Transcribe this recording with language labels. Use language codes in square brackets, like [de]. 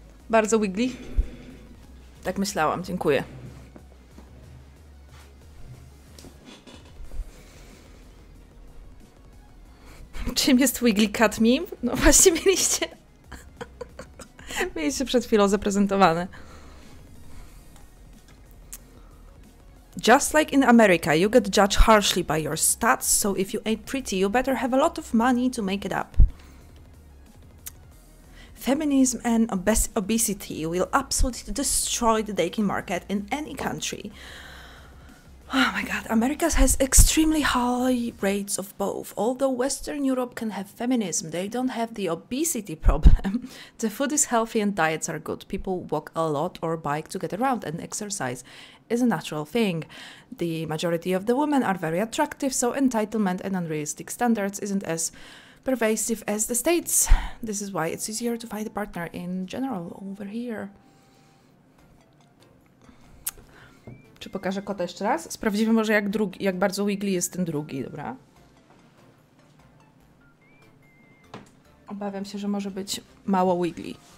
[pl] Bardzo wiggly? Tak myślałam, dziękuję. Czym jest Wiggly Cat Meme? No właśnie mieliście przed chwilą zaprezentowane. [en] Just like in America, you get judged harshly by your stats, so if you ain't pretty, you better have a lot of money to make it up. Feminism and obesity will absolutely destroy the dating market in any country. Oh my god, America has extremely high rates of both. Although Western Europe can have feminism, they don't have the obesity problem. The food is healthy and diets are good. People walk a lot or bike to get around and exercise is a natural thing. The majority of the women are very attractive, so entitlement and unrealistic standards isn't as pervasive as the States. This is why it's easier to find a partner in general over here. [pl] Czy pokażę kota jeszcze raz? Sprawdzimy może jak bardzo wiggly jest ten drugi, dobra? Obawiam się, że może być mało wiggly.